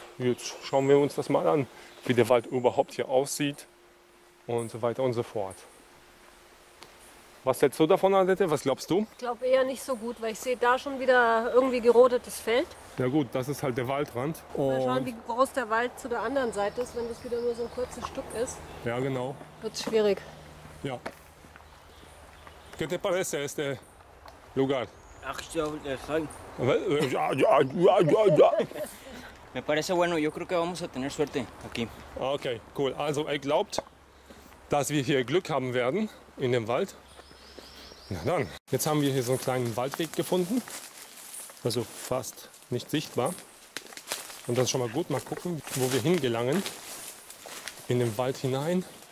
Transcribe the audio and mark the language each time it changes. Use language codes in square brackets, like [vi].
[de] Jetzt schauen wir uns das mal an, wie der Wald überhaupt hier aussieht und so weiter und so fort. Was hältst du davon, Annette? Was glaubst du? Ich glaube eher nicht so gut, weil ich sehe da schon wieder irgendwie gerodetes Feld. Ja gut, das ist halt der Waldrand. Und mal schauen, wie groß der Wald zu der anderen Seite ist, wenn das wieder nur so ein kurzes Stück ist. Ja, genau. Wird schwierig. Ja. [es] ¿Qué te parece este lugar? [de] Ach, ich glaube, der Fang. Ja. [es] Me parece bueno. Yo creo que vamos a tener suerte aquí. [de] Okay, cool. Also, er glaubt, dass wir hier Glück haben werden in dem Wald. Na dann, jetzt haben wir hier so einen kleinen Waldweg gefunden, also fast nicht sichtbar. Und das ist schon mal gut, mal gucken, wo wir hingelangen, in den Wald hinein.